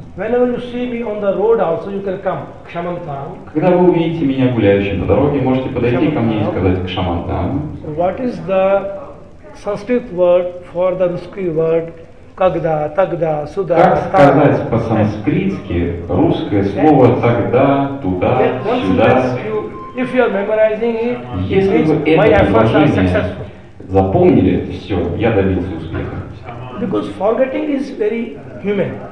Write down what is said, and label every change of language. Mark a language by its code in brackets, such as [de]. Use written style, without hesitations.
[en] Whenever you see me on the road also, you can come. [sa] Кшамантам. [ru] Когда вы увидите меня гуляющим по дороге, можете подойти ко мне и сказать кшамантам. [en] What is the Sanskrit word for the Ruski word? [ru] Когда, тогда, сюда, как сказать по-санскритски русское слово тогда, туда, сюда? [en] If you are memorizing it, [ru] если вы это предложение запомнили, все, я добился успеха. [en] Because forgetting is very human.